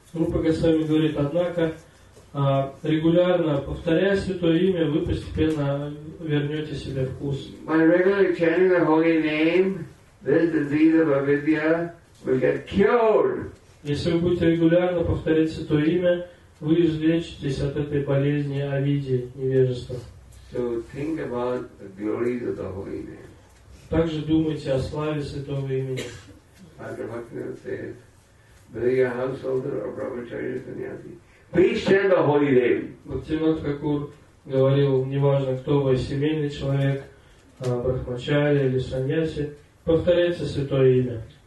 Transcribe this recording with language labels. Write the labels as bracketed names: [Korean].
[Russian] Rupa Goswami говорит, однако, регулярно повторяя святое имя, вы постепенно вернете себе вкус. [English] By regularly chanting the holy name, this disease of avidya will get cured. [Russian] Если вы будете регулярно повторять святое имя, вы излечитесь от этой болезни авидьи, невежества. [English] So think about the glory of the holy name. [Russian] Также думайте о славе святого имени. Бхактивинод Такур говорил, неважно, кто вы, семейный человек, брахмачари или саньяси, повторяйте святое имя.